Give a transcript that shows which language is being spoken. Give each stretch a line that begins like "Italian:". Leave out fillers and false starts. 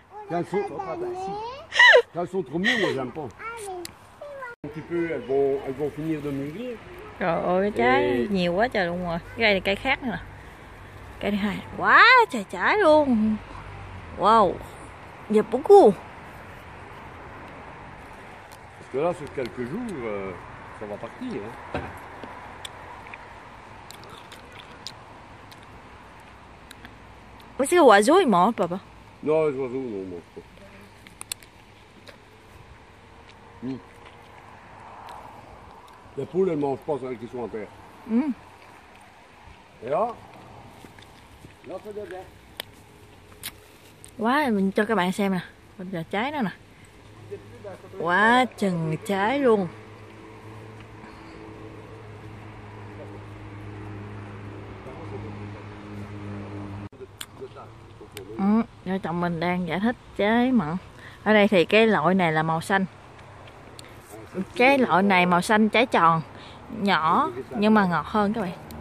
French: Elles sont trop mûres, moi j'aime pas. Un petit peu, elles vont finir de mûrir.
Vietnamese: Trời ơi, cái trái nhiều quá trời luôn rồi. Cái này cây khác nữa. Cây thứ hai. Quá trời trái luôn. Wow. Nhiều quá cu.
French: Parce que là, sur quelques jours, ça va partir. Hein. Mais c'est l'oiseau, il mord, papa. Non, les oiseaux, non, ils mordent pas. Les poules, elles mangent pas celles qui sont en terre. Et là, là, c'est bien. Ouais, mais je vais vous montrer.
Vietnamese: bên giờ trái nữa nè, quá chừng trái luôn. Vợ chồng mình đang giải thích trái mận. Ở đây thì cái loại này là màu xanh, cái loại này màu xanh, trái tròn nhỏ nhưng mà ngọt hơn các bạn.